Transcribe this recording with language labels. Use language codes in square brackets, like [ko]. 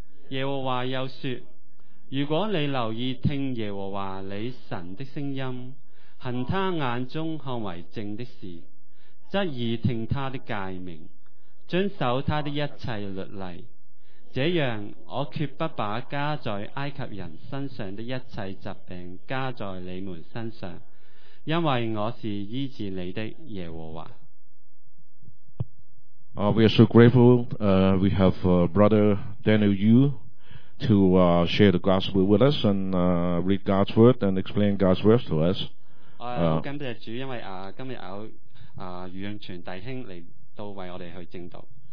[zh] 耶和华又说：如果你留意听耶和华你神的声音，行他眼中看为正的事，执意听他的诫命，遵守他的一切律例，这样我绝不把加在埃及人身上的一切疾病加在你们身上，因为我是医治你的耶和华。 [en] We are so grateful we have Brother Daniel Yu to share the gospel with us and read God's word and explain God's word to us. [zh] 感谢主，因为今日有余永全弟兄来到为我们去证道。